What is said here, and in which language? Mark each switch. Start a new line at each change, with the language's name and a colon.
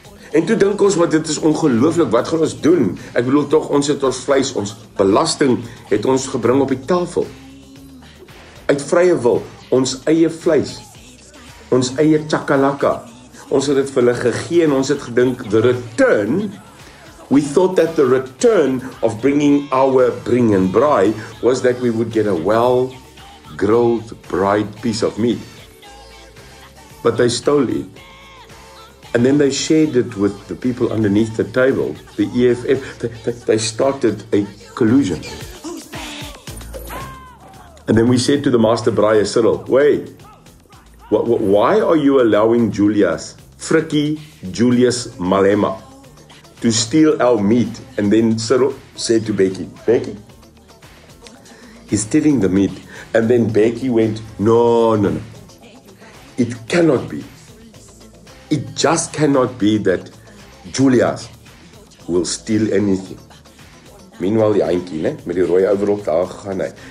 Afrikaans: En toe dink ons wat dit is ongelooflik, wat gaan ons doen? Ek bedoel tog ons het ons vleis, ons belasting het ons gebring op die tafel. Uit vrye wil, ons eie vleis. Ons eie chakalaka. Ons het dit vir hulle gegee en ons het gedink
English: the return. We thought that the return of bringing our bring and braai was that we would get a well grilled braai piece of meat. But they stole it. And then they shared it with the people underneath the table, the EFF. They started a collusion. And then we said to the master braaier, Cyril, wait, why are you allowing Julius, Frikkie Julius Malema, to steal our meat? And then Cyril said to Becky, Becky, he's stealing the meat. And then Becky went, no, no, no, it cannot be. It just cannot be that Julius will steal anything.
Afrikaans: Meanwhile, die eintjie, né, met die rooi overrok daar gegaan het.